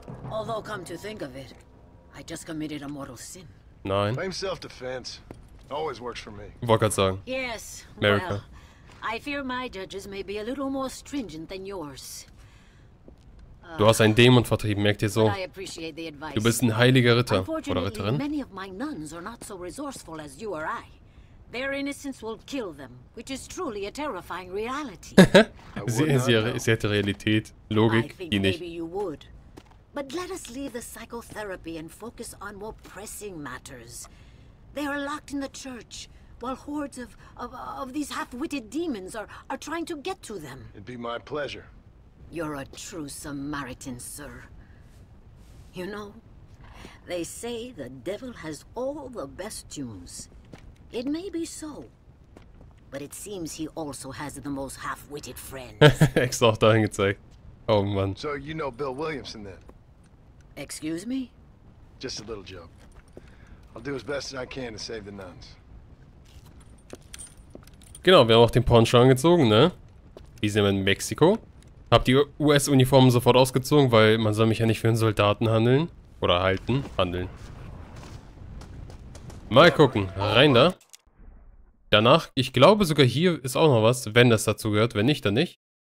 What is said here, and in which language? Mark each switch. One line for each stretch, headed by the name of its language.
English: Although come to think of it, I just committed a mortal sin.
German: Nein.
English: Claim self-defense. Always works for me.
German: Wollte gerade sagen.
English: Yes, America. Well, I fear my judges may be a little more stringent than yours.
German: Du hast einen Dämon vertrieben, merkt ihr so? Du bist ein heiliger Ritter oder Ritterin.
English: Many of my nuns are not so resourceful as you or I. Their innocence will kill them, which is truly a terrifying reality.
German: Sie hätte Realität, Logik, die nicht.
English: But let us leave the psychotherapy and focus on more pressing matters. They are locked in the church, while hordes of these half-witted demons are trying to get to them. It'd be my pleasure. You're a true Samaritan, sir. You know, they say the devil has all the best tunes. It may be so, but it seems he also has the most half-witted friends.
German: Extra auch dahin gezeigt.
English: Oh man. So you know Bill Williamson then? Excuse me? Just a little joke. I'll do as best as I can to save the nuns.
German: Genau, wir haben auch den Poncho angezogen, ne? Wir sind in Mexiko. Hab die US-Uniformen sofort ausgezogen, weil man soll mich ja nicht für einen Soldaten handeln. Oder halten, handeln. Mal gucken, rein da. Danach, ich glaube sogar hier ist auch noch was, wenn das dazu gehört, wenn nicht, dann nicht.